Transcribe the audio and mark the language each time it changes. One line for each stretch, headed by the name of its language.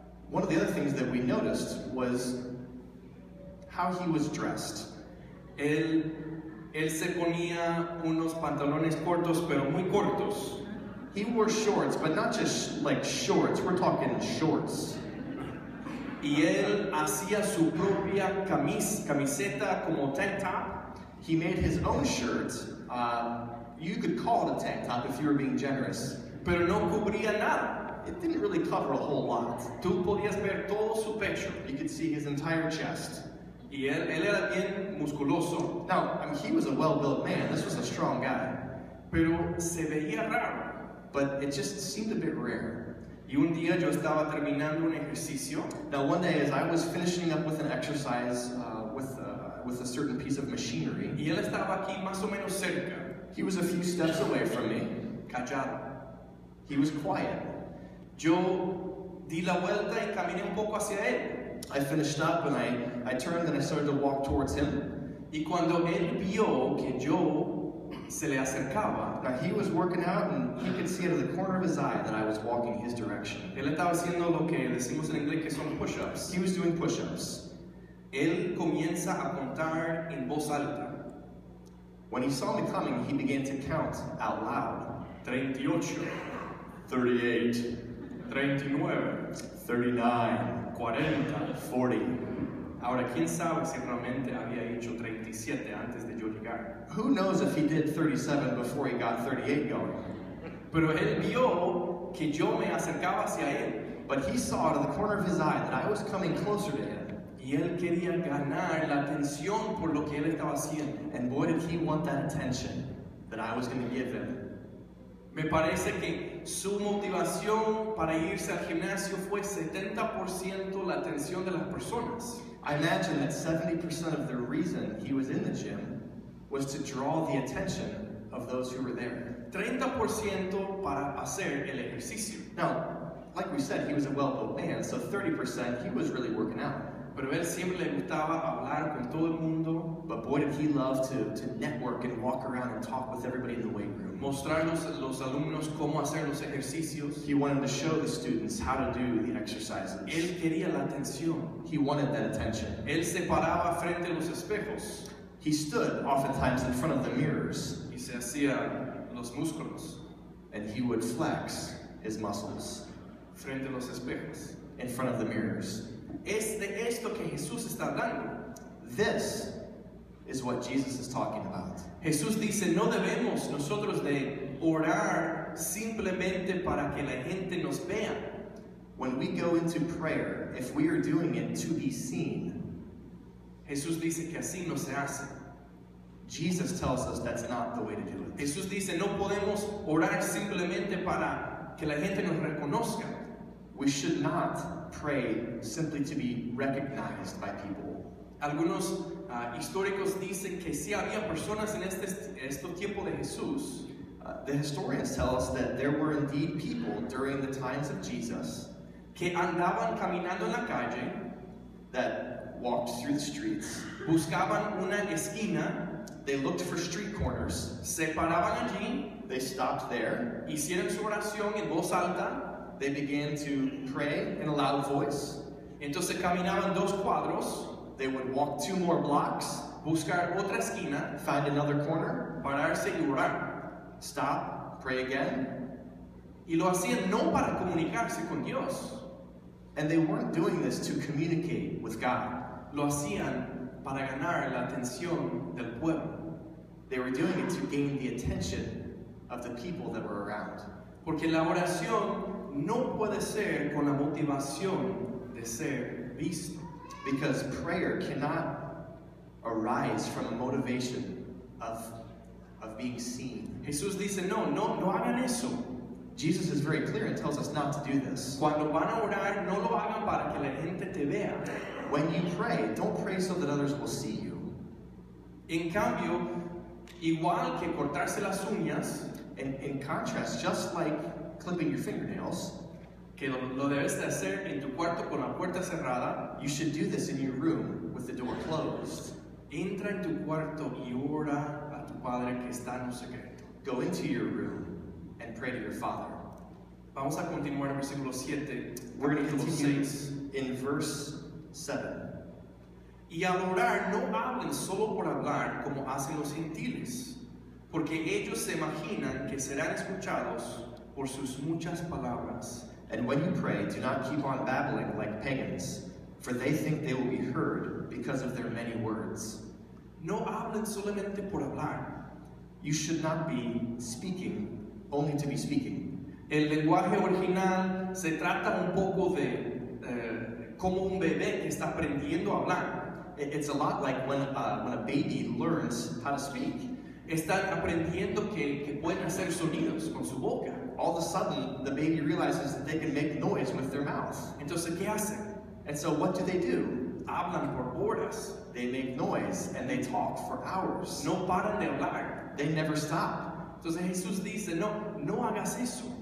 English: One of the other things that we noticed was how he was dressed.
Spanish: Él se ponía unos pantalones cortos, pero muy cortos.
English: He wore shorts, but not just like shorts. We're talking shorts.
Spanish: Y él hacía su propia camiseta como tank top.
English: He made his own shirt. You could call it a tank top if you were being generous.
Spanish: Pero no cubría nada.
English: It didn't really cover a whole lot.
Spanish: Tú podías ver todo su pecho.
English: You could see his entire chest.
Spanish: Y él era bien musculoso.
English: Now, I mean, he was a well-built man. This was a strong guy.
Spanish: Pero se veía raro.
English: But it just seemed a bit rare.
Spanish: Y un día yo estaba terminando un ejercicio.
English: Now, one day, as I was finishing up with an exercise with a certain piece of machinery,
Spanish: y él estaba aquí más o menos cerca.
English: He was a few steps away from me.
Spanish: Callado.
English: He was quiet.
Spanish: Yo di la vuelta y caminé un poco hacia él.
English: I finished up and I turned and I started to walk towards him.
Spanish: Y cuando él vio que yo se le acercaba.
English: Now he was working out and he could see out of the corner of his eye that I was walking his direction.
Spanish: Él estaba haciendo lo que decimos en inglés que son push-ups.
English: He was doing push-ups.
Spanish: Él comienza a contar en voz alta.
English: When he saw me coming, he began to count out loud.
Spanish: 38.
English: 38.
Spanish: 39.
English: 39.
Spanish: 40.
English: 40.
Spanish: Ahora, quién sabe si realmente había hecho 37 antes de yo llegar.
English: Who knows if he did 37 before he got 38 going.
Spanish: Pero él vio que yo me acercaba hacia él.
English: But he saw out of the corner of his eye that I was coming closer to him.
Spanish: Y él quería ganar la atención por lo que él estaba haciendo.
English: And boy, did he want that attention that I was going to give him.
Spanish: Me parece que su motivación para irse al gimnasio fue 70% la atención de las personas.
English: I imagine that 70% of the reason he was in the gym was to draw the attention of those who were there.
Spanish: 30% para hacer el ejercicio.
English: Now, like we said, he was a well-built man, so 30%, he was really working out.
Spanish: Pero él siempre le gustaba hablar con todo el mundo.
English: But boy, did he love to network and walk around and talk with everybody in the weight room.
Spanish: Mostrarnos los alumnos cómo hacer los ejercicios.
English: He wanted to show the students how to do the exercises.
Spanish: Él quería la atención.
English: He wanted that attention.
Spanish: Él se paraba frente a los espejos.
English: He stood oftentimes in front of the mirrors.
Spanish: Y se hacía los músculos.
English: And he would flex his muscles.
Spanish: Frente a los espejos.
English: In front of the mirrors.
Spanish: Es de esto que Jesús está hablando.
English: This is what Jesus is talking about.
Spanish: Jesús dice, no debemos nosotros de orar simplemente para que la gente nos vea.
English: When we go into prayer, if we are doing it to be seen,
Spanish: Jesús dice que así no se hace.
English: Jesus tells us that's not the way to do it.
Spanish: Jesús dice, no podemos orar simplemente para que la gente nos reconozca.
English: We should not pray simply to be recognized by people.
Spanish: Algunos históricos dicen que sí había personas en este tiempo de Jesús.
English: The historians tell us that there were indeed people during the times of Jesus
Spanish: que andaban caminando en la calle,
English: that walked through the streets,
Spanish: buscaban una esquina,
English: they looked for street corners,
Spanish: se paraban allí,
English: they stopped there,
Spanish: hicieron su oración en voz alta.
English: They began to pray in a loud voice.
Spanish: Entonces caminaban dos cuadros.
English: They would walk two more blocks.
Spanish: Buscar otra esquina.
English: Find another corner.
Spanish: Pararse y orar.
English: Stop. Pray again.
Spanish: Y lo hacían no para comunicarse con Dios.
English: And they weren't doing this to communicate with God.
Spanish: Lo hacían para ganar la atención del pueblo.
English: They were doing it to gain the attention of the people that were around.
Spanish: Porque la oración no puede ser con la motivación de ser visto.
English: Because prayer cannot arise from a motivation of being seen.
Spanish: Jesús dice, no, no, no hagan eso.
English: Jesus is very clear and tells us not to do this.
Spanish: Cuando van a orar, no lo hagan para que la gente te vea.
English: When you pray, don't pray so that others will see you.
Spanish: En cambio, igual que cortarse las uñas,
English: and in contrast, just like clipping your fingernails,
Spanish: que lo debes de hacer en tu cuarto con la puerta cerrada,
English: you should do this in your room with the door closed.
Spanish: Entra en tu cuarto y ora a tu padre que está en secreto.
English: Go into your room and pray to your father.
Spanish: Vamos a continuar en versículo 7.
English: We're going to continue in verse 7.
Spanish: Y al orar, no hablen solo por hablar como hacen los gentiles, porque ellos se imaginan que serán escuchados por sus muchas palabras.
English: And when you pray, do not keep on babbling like pagans, for they think they will be heard because of their many words.
Spanish: No hablen solamente por hablar.
English: You should not be speaking only to be speaking.
Spanish: El lenguaje original se trata un poco de como un bebé que está aprendiendo a hablar.
English: It's a lot like when a baby learns how to speak.
Spanish: Están aprendiendo que pueden hacer sonidos con su boca.
English: All of a sudden, the baby realizes that they can make noise with their mouth.
Spanish: Entonces, ¿qué hacen?
English: And so what do?
Spanish: Hablan por horas.
English: They make noise and they talk for hours.
Spanish: No paran de hablar.
English: They never stop.
Spanish: Entonces, Jesús dice, no, no hagas eso.